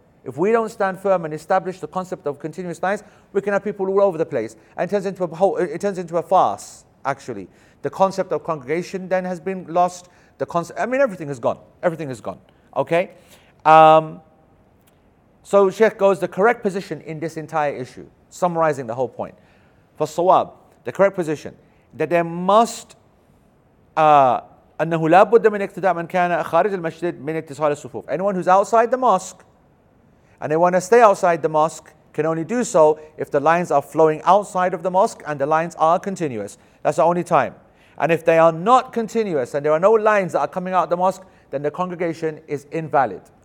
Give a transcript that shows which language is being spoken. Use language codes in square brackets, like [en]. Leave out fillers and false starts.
[en] If we don't stand firm and establish the concept of continuous lines, we can have people all over the place. And it turns into a whole, it turns into a farce, actually. The concept of congregation then has been lost. The concept, I mean, everything is gone. Everything is gone. Okay? So Sheikh goes, the correct position in this entire issue, summarizing the whole point. For Sawab, the correct position, that there must, [ar] أنه لا بد من اقتداء من كان خارج المسجد من اتصال الصفوف. [en] Anyone who's outside the mosque and they want to stay outside the mosque can only do so if the lines are flowing outside of the mosque and the lines are continuous. That's the only time. And if they are not continuous and there are no lines that are coming out of the mosque, then the congregation is invalid.